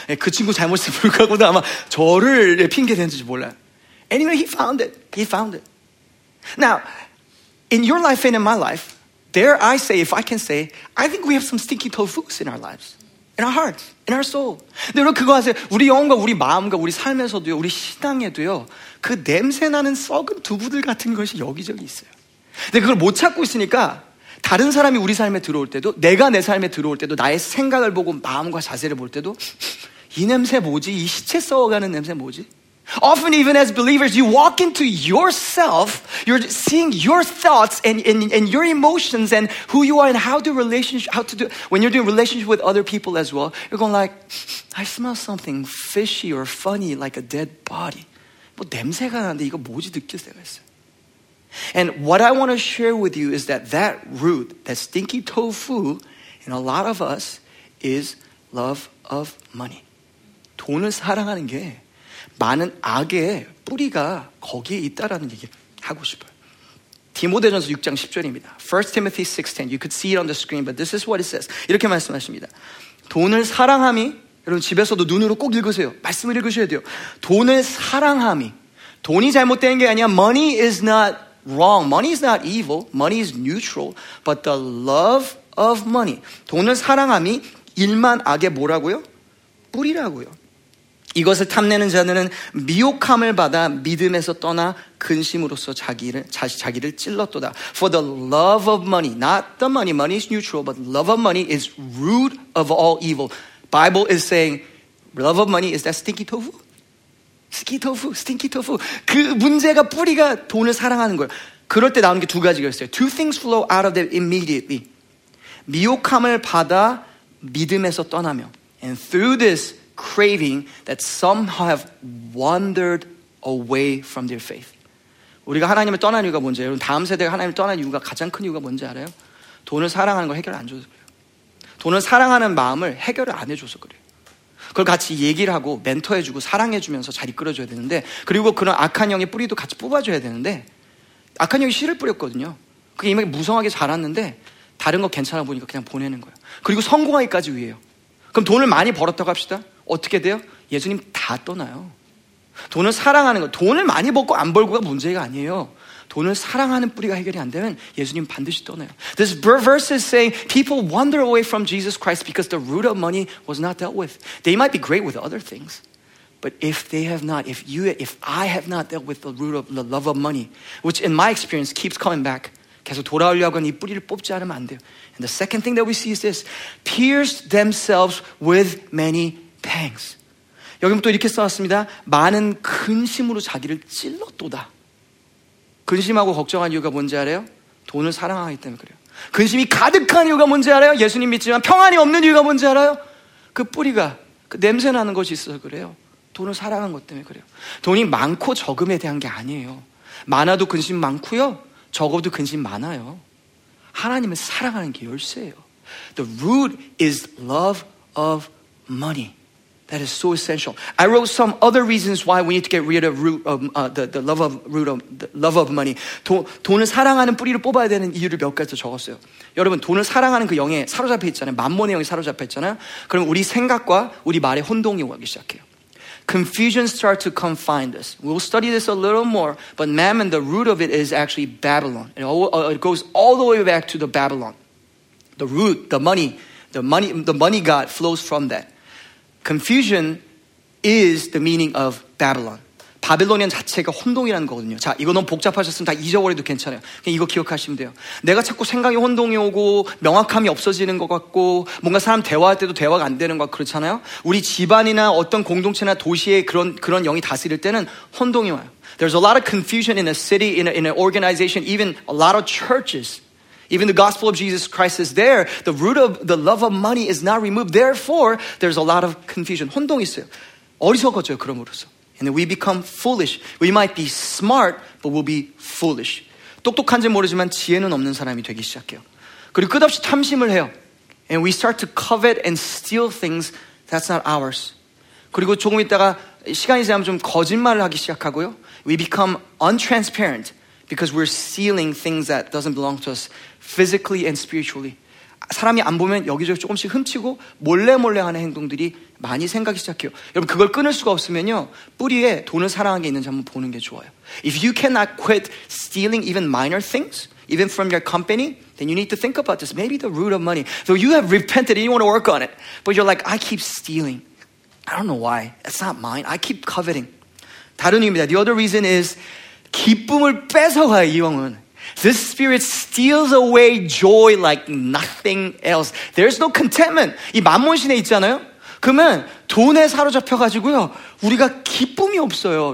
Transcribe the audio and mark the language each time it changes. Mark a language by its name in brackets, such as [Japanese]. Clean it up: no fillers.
[Korean] 그 친구 잘못이 불구하고도 아마 저를 핑계 댄지 몰라요. [English] Anyway, he found it. He found it. Now, in your life and in my life, dare I say, if I can say, I think we have some stinky tofus in our lives, in our hearts, in our soul. [Korean] 근데 여러분 그거 아세요? 우리 영혼과 우리 마음과 우리 삶에서도요, 우리 신앙에도요, 그 냄새 나는 썩은 두부들 같은 것이 여기저기 있어요. 근데 그걸 못 찾고 있으니까 다른 사람이 우리 삶에 들어올 때도, 내가 내 삶에 들어올 때도, 나의 생각을 보고 마음과 자세를 볼 때도, 이 냄새 뭐지? 이 시체 썩어가는 냄새 뭐지? [English] Often even as believers, you walk into yourself, you're seeing your thoughts and your emotions and who you are and how to do, when you're doing relationship with other people as well, you're going like, I smell something fishy or funny like a dead body. [Korean] 뭐 냄새가 나는데 이거 뭐지 느낄 때가 있어요. [English] And what I want to share with you is that root, that stinky tofu in a lot of us is love of money. [Korean] 돈을 사랑하는 게 많은 악의 뿌리가 거기에 있다라는 얘기를 하고 싶어요. 디모데전서 6장 10절입니다. [English] 1 Timothy 6:10. You could see it on the screen, but this is what it says. [Korean] 이렇게 말씀하십니다. 돈을 사랑함이, 여러분 집에서도 눈으로 꼭 읽으세요. 말씀을 읽으셔야 돼요. 돈을 사랑함이, 돈이 잘못된 게 아니야. [English] Money is not wrong. Money is not evil. Money is neutral. But the love of money, [Korean] 돈을 사랑함이 일만 악의 뭐라고요? 뿌리라고요. 이것을 탐내는 자들은 미혹함을 받아 믿음에서 떠나 근심으로써 자기를 찔렀도다. [English] For the love of money, not the money, money is neutral, but love of money is root of all evil. Bible is saying, love of money is that stinky tofu? Stinky tofu, stinky tofu. [Korean] 그 문제가 뿌리가 돈을 사랑하는 거예요. 그럴 때 나오는 게 두 가지가 있어요. [English] Two things flow out of them immediately. [Korean] 미혹함을 받아 믿음에서 떠나며. [English] And through this, craving that some have wandered away from their faith. [Korean] 우리가 하나님을 떠난 이유가 뭔지 여러분 다음 세대가 하나님을 떠난 이유가 가장 큰 이유가 뭔지 알아요? 돈을 사랑하는 걸 해결 안 줘서 그래요. 돈을 사랑하는 마음을 해결을 안 해줘서 그래요. 그걸 같이 얘기를 하고 멘토해주고 사랑해주면서 잘 이끌어줘야 되는데 그리고 그런 악한 영의 뿌리도 같이 뽑아줘야 되는데 악한 영이 씨를 뿌렸거든요. 그게 이미 무성하게 자랐는데 다른 거 괜찮아 보니까 그냥 보내는 거예요. 그리고 성공하기까지 위해요. 그럼 돈을 많이 벌었다고 합시다. 어떻게 돼요? 예수님 다 떠나요. 돈을 사랑하는 거, 돈을 많이 벌고 안 벌고가 문제가 아니에요. 돈을 사랑하는 뿌리가 해결이 안 되면 예수님 반드시 떠나요. [English] This verse is saying people wander away from Jesus Christ because the root of money was not dealt with. They might be great with other things, but if they have not, if I have not dealt with the root of the love of money, which in my experience keeps coming back, [Korean] 계속 돌아오려고 하는 이 뿌리를 뽑지 않으면 안 돼요. [English] And the second thing that we see is this, pierced themselves with many pangs. [Korean] 여기 또 이렇게 써왔습니다. 많은 근심으로 자기를 찔렀도다. 근심하고 걱정한 이유가 뭔지 알아요? 돈을 사랑하기 때문에 그래요. 근심이 가득한 이유가 뭔지 알아요? 예수님 믿지만 평안이 없는 이유가 뭔지 알아요? 그 뿌리가, 그 냄새 나는 것이 있어서 그래요. 돈을 사랑한 것 때문에 그래요. 돈이 많고 적음에 대한 게 아니에요. 많아도 근심 많고요. 적어도 근심 많아요. 하나님을 사랑하는 게 열쇠예요. [English] The root is love of money. That is so essential. I wrote some other reasons why we need to get rid of the love of money. [Korean] 돈을 사랑하는 뿌리를 뽑아야 되는 이유를 몇 가지 적었어요. 여러분 돈을 사랑하는 그 영에 사로잡혀 있잖아요. 만몬의 영에 사로잡혀 있잖아요. 그럼 우리 생각과 우리 말에 혼동이 오기 시작해요. [English] Confusion starts to confine us. We'll study this a little more, but Mammon, the root of it is actually Babylon. It goes all the way back to the Babylon. The root, the money god flows from that. Confusion is the meaning of Babylon. [Korean] Babylonian 자체가 혼동이라는 거거든요. 자, 이거 너무 복잡하셨으면 다 잊어버려도 괜찮아요. 그냥 이거 기억하시면 돼요. 내가 자꾸 생각이 혼동이 오고 명확함이 없어지는 것 같고 뭔가 사람 대화할 때도 대화가 안 되는 것 그렇잖아요. 우리 집안이나 어떤 공동체나 도시에 그런 영이 다스릴 때는 혼동이 와요. [English] There's a lot of confusion in a city, in an organization, even a lot of churches. Even the gospel of Jesus Christ is there. The root of the love of money is not removed. Therefore, there's a lot of confusion. [Korean] 혼동 있어요. 어리석어져요, 그럼으로써. [English] And we become foolish. We might be smart, but we'll be foolish. [Korean] 똑똑한지 모르지만 지혜는 없는 사람이 되기 시작해요. 그리고 끝없이 탐심을 해요. [English] And we start to covet and steal things that's not ours. [Korean] 그리고 조금 있다가 시간이 지나면 좀 거짓말을 하기 시작하고요. [English] We become untransparent because we're stealing things that doesn't belong to us physically and spiritually. [Korean] 사람이 안 보면 여기저기 조금씩 훔치고 몰래몰래 하는 행동들이 많이 생각이 시작해요. 여러분 그걸 끊을 수가 없으면요. 뿌리에 돈을 사랑한 게 있는지 한번 보는 게 좋아요. [English] If you cannot quit stealing even minor things, even from your company, then you need to think about this. Maybe the root of money. So you have repented and you want to work on it. But you're like, I keep stealing. I don't know why. It's not mine. I keep coveting. [Korean] 다른 이유입니다. [English] The other reason is [Korean] 기쁨을 뺏어가요, 이 영혼. [English] This spirit steals away joy like nothing else. There's no contentment. [Korean] 이 만몬신에 있잖아요. 그러면 돈에 사로잡혀가지고요. 우리가 기쁨이 없어요.